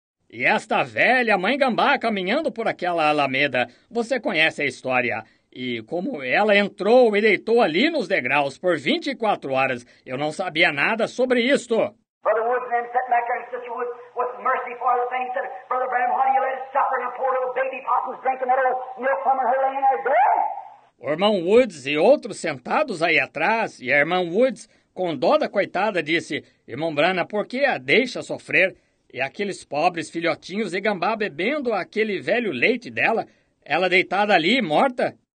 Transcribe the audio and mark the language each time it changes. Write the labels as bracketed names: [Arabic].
[Portuguese] E esta velha mãe gambá caminhando por aquela alameda, você conhece a história. E como ela entrou e deitou ali nos degraus por 24 horas, eu não sabia nada sobre isto. [English] Brother Woods then sat back there, and Sister Woods with mercy for the thing said, Brother Bram, why do you let it suffer and a poor little baby pot was drinking that old milk from her laying there dead? [Portuguese] O irmão Woods e outros sentados aí atrás, e a irmã Woods, com dó da coitada, disse, irmão Brana, por que a deixa sofrer? E aqueles pobres filhotinhos e gambá bebendo aquele velho leite dela, ela deitada ali, morta.